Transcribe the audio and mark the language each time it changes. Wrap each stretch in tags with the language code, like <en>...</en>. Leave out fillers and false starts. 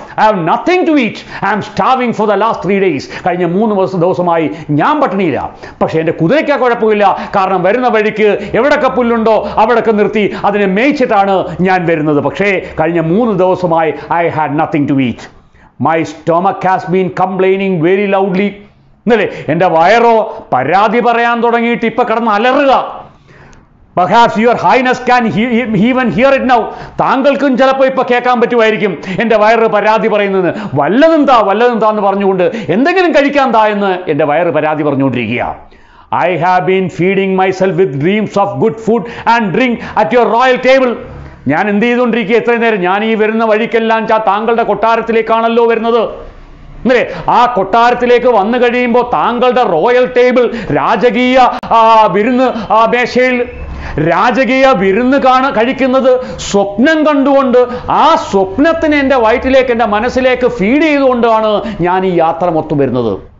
<en>I have nothing to eat, I am starving for the last 3 days.</en> <ml>കഴിഞ്ഞ 3 ദിവസമായി ഞാൻ പട്ടിണിയില്ല. പക്ഷേ എൻ്റെ കുതിരയ്ക്ക് കുഴപ്പമില്ല, കാരണം വരുന്ന വഴിക്ക് എവിടൊക്കെ പുല്ലുണ്ടോ അവിടൊക്കെ നിർത്തി അതിനെ മേയിച്ചിട്ടാണ് ഞാൻ വരുന്നത്. പക്ഷേ കഴിഞ്ഞ 3 ദിവസമായി</ml> <en>I had nothing to eat. My stomach has been complaining very loudly.</en> <ml>ഇന്നലെ എൻ്റെ വയറോ പരാതി പറയാൻ തുടങ്ങിയിട്ട് ഇപ്പം കിടന്ന് അലറുക.</ml> <en>Perhaps your highness can even hear it now.</en> <ml>താങ്കൾക്കും ചിലപ്പോൾ ഇപ്പം കേൾക്കാൻ പറ്റുമായിരിക്കും എൻ്റെ വയറ് പരാതി പറയുന്നത്. വല്ലതും താ എന്ന് പറഞ്ഞുകൊണ്ട് എന്തെങ്കിലും കഴിക്കാൻ താ എന്ന് എൻ്റെ വയറ് പരാതി പറഞ്ഞുകൊണ്ടിരിക്കുക.</ml> <en>I have been feeding myself with dreams of good food and drink at your royal table.</en> <ml>ഞാൻ എന്ത് ചെയ്തുകൊണ്ടിരിക്കുക ഇത്രയും നേരം? ഞാൻ ഈ വരുന്ന വഴിക്കെല്ലാം താങ്കളുടെ കൊട്ടാരത്തിലേക്കാണല്ലോ വരുന്നത്. അല്ലേ, ആ കൊട്ടാരത്തിലേക്ക് വന്നു കഴിയുമ്പോൾ താങ്കളുടെ റോയൽ ടേബിൾ, രാജകീയ വിരുന്ന് മേശയിൽ, രാജകീയ വിരുന്ന് കഴിക്കുന്നത് സ്വപ്നം കണ്ടുകൊണ്ട്, ആ സ്വപ്നത്തിന് എൻ്റെ വയറ്റിലേക്ക് എൻ്റെ മനസ്സിലേക്ക് ഫീഡ് ചെയ്തുകൊണ്ടാണ് ഞാൻ ഈ യാത്ര മൊത്തം വരുന്നത്.</ml>